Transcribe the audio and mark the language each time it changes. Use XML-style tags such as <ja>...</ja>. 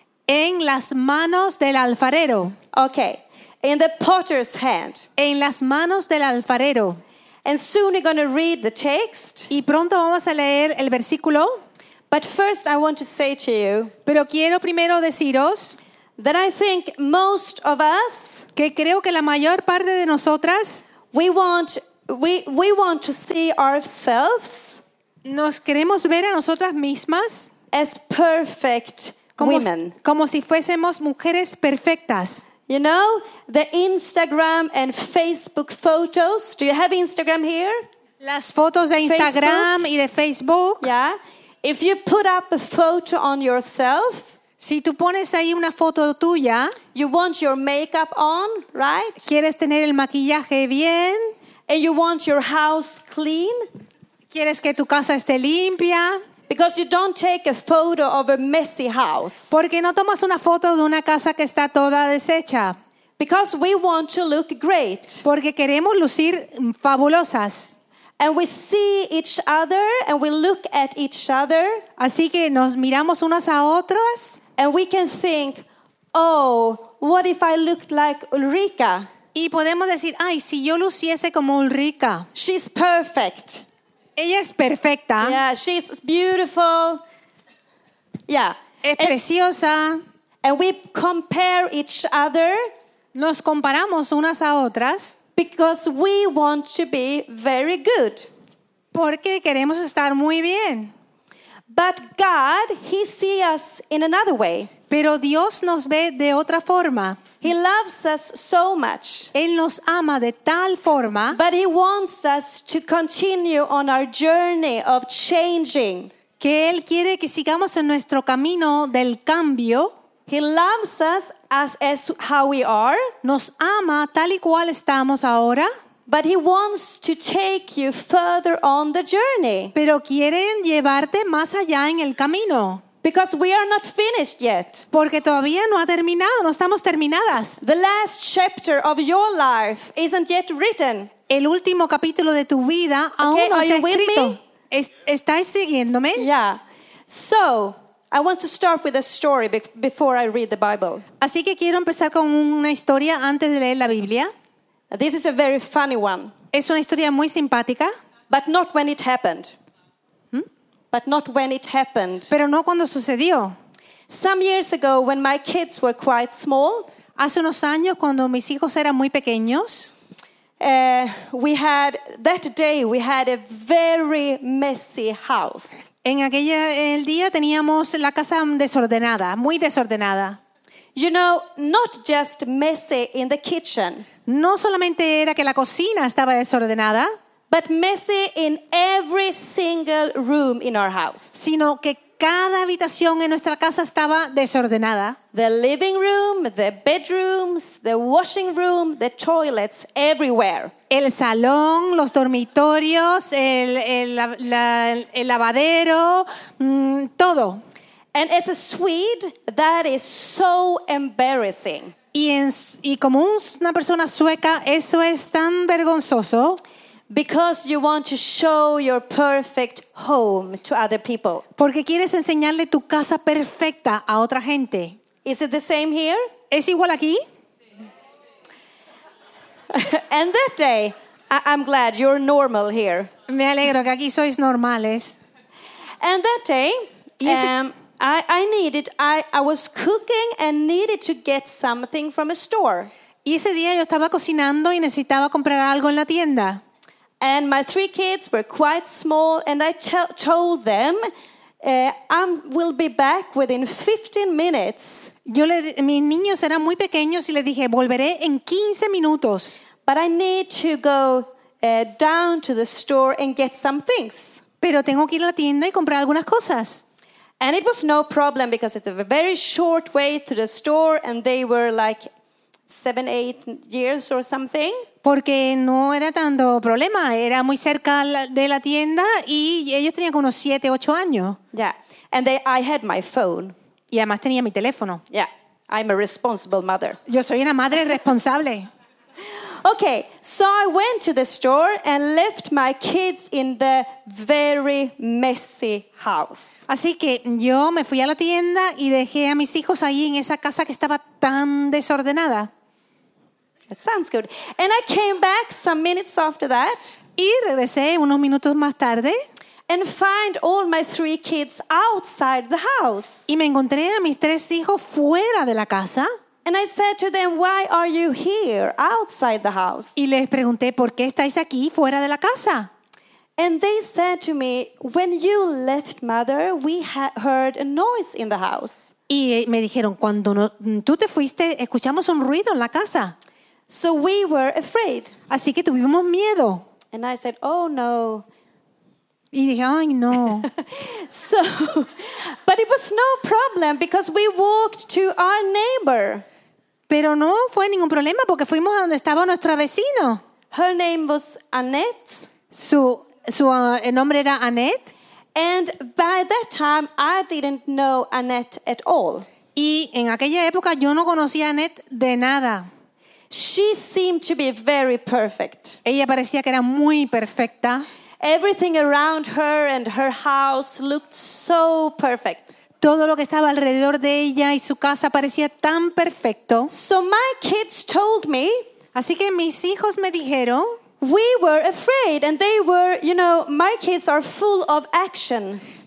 <es>En las manos del alfarero.</es> <en>Okay, in the potter's hand.</en> <es>En las manos del alfarero.</es> <en>And soon we're going to read the text.</en> <es>Y pronto vamos a leer el versículo.</es> <en>But first I want to say to you.</en> <es>Pero quiero primero deciros</es> <en>that I think most of us.</en> <es>Que creo que la mayor parte de nosotras.</es> <en>We want to see ourselves.</en> <es>Nos queremos ver a nosotras mismas.</es> <en>As perfect women.</en> <es>Como si fuésemos mujeres perfectas.</es> <en>You know the Instagram and Facebook photos. Do you have Instagram here?</en> <es>Las fotos de Instagram Facebook. Y de Facebook.</es> <en>Yeah. If you put up a photo on yourself.</en> <es>Si tú pones ahí una foto tuya,</es> <en>you want your makeup on, right?</en> <es>Quieres tener el maquillaje bien,</es> <en>and you want your house clean.</en> <es>Quieres que tu casa esté limpia,</es> <en>because you don't take a photo of a messy house.</en> <es>Porque no tomas una foto de una casa que está toda deshecha.</es> <en>Because we want to look great.</en> <es>Porque queremos lucir fabulosas.</es> <en>And we see each other and we look at each other.</en> <es>Así que nos miramos unas a otras.</es> <en>And we can think, oh, what if I looked like Ulrika?</en> <es>Y podemos decir, ay, si yo luciese como Ulrika.</es> <en>She's perfect.</en> <es>Ella es perfecta.</es> <en>Yeah, she's beautiful. Yeah.</en> <es>Es preciosa.</es> <en>And we compare each other.</en> <es>Nos comparamos unas a otras.</es> <en>Because we want to be very good.</en> <es>Porque queremos estar muy bien.</es> <en>But God, he sees us in another way.</en> <es>Pero Dios nos ve de otra forma.</es> <en>He loves us so much.</en> <es>Él nos ama de tal forma.</es> <en>But he wants us to continue on our journey of changing.</en> <es>Que él quiere que sigamos en nuestro camino del cambio.</es> <en>He loves us as how we are.</en> <es>Nos ama tal y cual estamos ahora.</es> <en>But he wants to take you further on the journey.</en> <es>Pero quieren llevarte más allá en el camino.</es> <en>Because we are not finished yet.</en> <es>Porque todavía no ha terminado, no estamos terminadas.</es> <en>The last chapter of your life isn't yet written.</en> <es>El último capítulo de tu vida aún</es> <en>okay,</en> <es>no se ha escrito.</es> <en>With me?</en> <es>¿Estáis siguiéndome?</es> <en>Yeah. So, I want to start with a story before I read the Bible.</en> <es>Así que quiero empezar con una historia antes de leer la Biblia.</es> <en>This is a very funny one.</en> <es>Es una historia muy simpática.</es> <en>But not when it happened. But not when it happened.</en> <es>Pero no cuando sucedió.</es> <en>Some years ago, when my kids were quite small.</en> <es>Hace unos años cuando mis hijos eran muy pequeños.</es> <en>We had a very messy house.</en> <es>En aquel día teníamos la casa desordenada, muy desordenada.</es> <en>You know, not just messy in the kitchen.</en> <es>No solamente era que la cocina estaba desordenada,</es> <en>but messy in every single room in our house.</en> <es>Sino que cada habitación en nuestra casa estaba desordenada.</es> <en>The living room, the bedrooms, the washing room, the toilets, everywhere.</en> <es>El salón, los dormitorios, el lavadero, todo.</es> <en>And as a Swede, that is so embarrassing.</en> <es>Y como una persona sueca, eso es tan vergonzoso.</es> <en>Because you want to show your perfect home to other people.</en> <es>Porque quieres enseñarle tu casa perfecta a otra gente.</es> <en>Is it the same here?</en> <es>¿Es igual aquí?</es> <en>And that day, I'm glad you're normal here.</en> <es>Me alegro que aquí sois normales.</es> <en>And that day, I was cooking and needed to get something from a store.</en> <es>Y ese día yo estaba cocinando y necesitaba comprar algo en la tienda.</es> <en>And my three kids were quite small, and I told them, "I will be back within 15 minutes."</en> <es>Mis niños eran muy pequeños y les dije, "Volveré en 15 minutos."</es> <en>But I need to go down to the store and get some things.</en> <es>Pero tengo que ir a la tienda y comprar algunas cosas.</es> <en>And it was no problem because it's a very short way to the store, and they were like 7-8 years or something.</en> <es>Porque no era tanto problema, era muy cerca de la tienda y ellos tenían como unos 7-8 años.</es> <en>Yeah. And I had my phone.</en> <es>Y además tenía mi teléfono.</es> <en>Yeah. I'm a responsible mother.</en> <es>Yo soy una madre responsable.</es> <en>Okay, so I went to the store and left my kids in the very messy house.</en> <es>Así que yo me fui a la tienda y dejé a mis hijos ahí en esa casa que estaba tan desordenada.</es> <en>That sounds good. And I came back some minutes after that.</en> <es>Y regresé unos minutos más tarde.</es> <en>And find all my three kids outside the house.</en> <es>Y me encontré a mis tres hijos fuera de la casa.</es> <en>And I said to them, "Why are you here outside the house?"</en> <es>Y les pregunté, ¿por qué estáis aquí fuera de la casa?</es> <en>And they said to me, "When you left, mother, we heard a noise in the house."</en> <es>Y me dijeron, cuando tú te fuiste, escuchamos un ruido en la casa.</es> <en>So we were afraid.</en> <es>Así que tuvimos miedo.</es> <en>And I said, "Oh no."</en> <es>Y dije, "Ay, no."</es> <en>So, but it was no problem because we walked to our neighbor.</en> <es>Pero no fue ningún problema porque fuimos a donde estaba nuestro vecino.</es> <en>Her name was Annette.</en> <es>Su nombre era Annette.</es> <en>And by that time I didn't know Annette at all.</en> <es>Y en aquella época yo no conocía a Annette de nada.</es> <en>She seemed to be very perfect.</en> <es>Ella parecía que era muy perfecta.</es> <en>Everything around her and her house looked so perfect.</en> <es>Todo lo que estaba alrededor de ella y su casa parecía tan perfecto.</es> <en>So my kids told me.</en> <es>Así que mis hijos me dijeron.</es> <en>We were afraid, and they were, you know, my kids are full of action.</en>